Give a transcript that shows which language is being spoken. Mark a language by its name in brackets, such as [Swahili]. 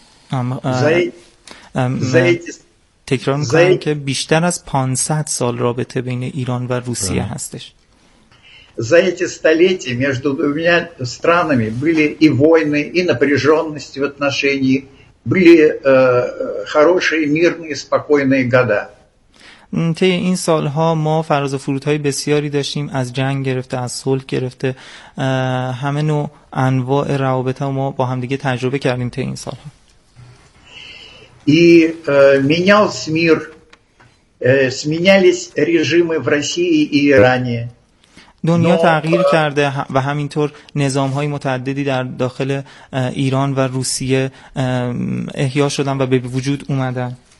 [Russian] За эти столетия между двумя странами были и войны, и напряженности в отношении, были хорошие, мирные, спокойные года. [Persian] طی این سالها ما فراز و فرودهای بسیاری داشتیم، از جنگ گرفته از صلح گرفته همه نوع انواع روابط ما با همدیگه تجربه کردیم طی این سالها. [Russian] И менялся мир, сменялись режимы в России и Иране. [Persian] دنیا تغییر کرده و همینطور نظام‌های متعددی در داخل ایران و روسیه احیا شدن و به وجود اومدن.